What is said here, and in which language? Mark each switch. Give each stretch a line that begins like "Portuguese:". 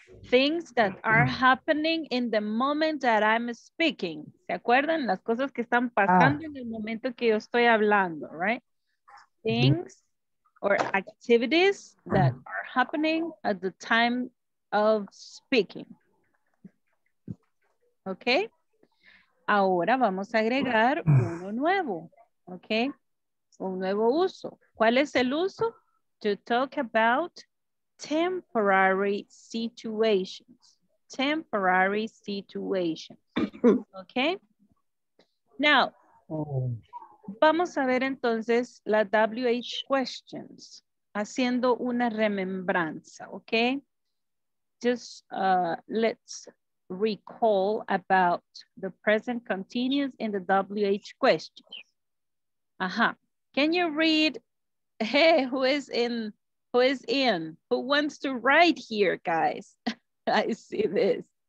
English: Things that are happening in the moment that I'm speaking.
Spanish: ¿Se acuerdan? Las cosas que están pasando en el momento que yo estoy hablando, right?
English: Things or activities that are happening at the time of speaking.
Spanish: Okay? Ahora vamos a agregar uno nuevo, ¿ok? Un nuevo uso. ¿Cuál es el uso?
English: To talk about temporary situations. Temporary situations, ¿ok?
Spanish: Now, vamos a ver entonces la
English: WH questions,
Spanish: haciendo una remembranza, ¿ok?
English: Just let's recall about the present continuous in the WH questions. Uh-huh. Can you read? Hey, who is in? Who is in? Who wants to write here, guys? I see this.